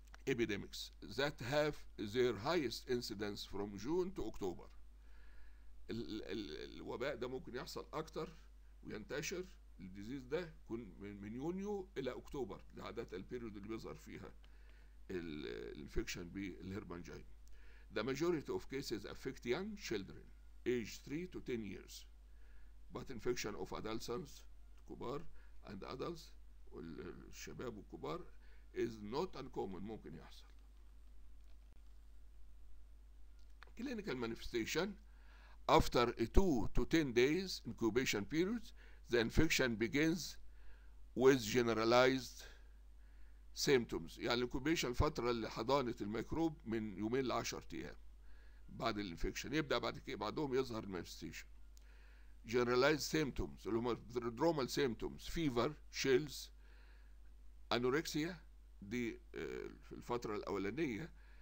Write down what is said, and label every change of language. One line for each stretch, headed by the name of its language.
English: Epidemics that have their highest incidence from June to October.
Arabic: الوباء ده ممكن يحصل أكتر وينتشر. الديزيز ده يكون من يونيو إلى أكتوبر. لعدات البيريود اللي بيظهر فيها الانفكشن بالهربانجينا.
English: The majority of cases affect young children aged 3 to 10 years. But infection of adolescents,
Arabic: كبار
English: and adults,
Arabic: الشباب والكبار
English: is not uncommon,
Arabic: ممكن يحصل.
English: Clinical manifestation, after a 2 to 10 days incubation period, the infection begins with generalized symptoms.
Arabic: يعني incubation الفترة اللي حضانت الميكروب من يومين لعشر أيام بعد الانفكشن يبدأ بعدهم يظهر manifestation.
English: Generalized symptoms, prodromal symptoms, fever, chills, anorexia,
Arabic: دي في الفترة الأولانية.